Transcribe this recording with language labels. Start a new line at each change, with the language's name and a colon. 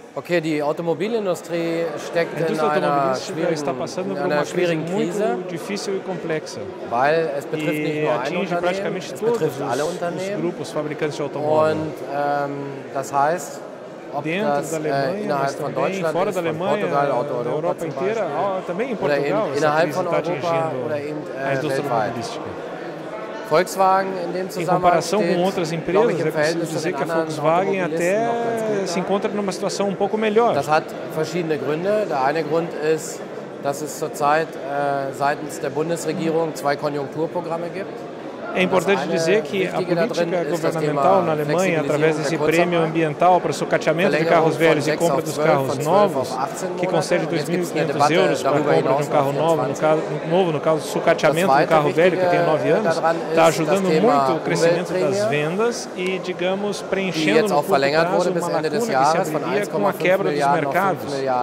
German: Okay, die Automobilindustrie steckt in einer schwierigen Krise,
Portuguese: difícil e complexa.
German: Weil es betrifft nicht nur ein Unternehmen, es betrifft alle Unternehmen.
Portuguese: Grupos, fabricantes de automóveis.
German: Und das heißt, ob
Portuguese: dentro das da Alemanha,
German: innerhalb von Deutschland,
Portuguese: fora da Alemanha, Portugal, da Europa inteira, também em Portugal,
German: oder innerhalb von Europa oder eben weltweit. Volkswagen in dem Zusammenhang.
Portuguese: Em comparação com outras empresas, é preciso dizer que a Volkswagen até se encontra numa situação um pouco melhor.
German: Das hat verschiedene Gründe. Der eine Grund ist, dass es zurzeit seitens der Bundesregierung zwei Konjunkturprogramme gibt.
Portuguese: É importante dizer que a política governamental na Alemanha, através desse prêmio ambiental para sucateamento de carros velhos e compra dos carros novos, que concede 2.500 euros para a compra de um carro novo, no caso sucateamento do carro velho, que tem 9 anos, está ajudando muito o crescimento das vendas e, digamos, preenchendo no curto prazo uma lacuna que se abriria com a quebra dos mercados.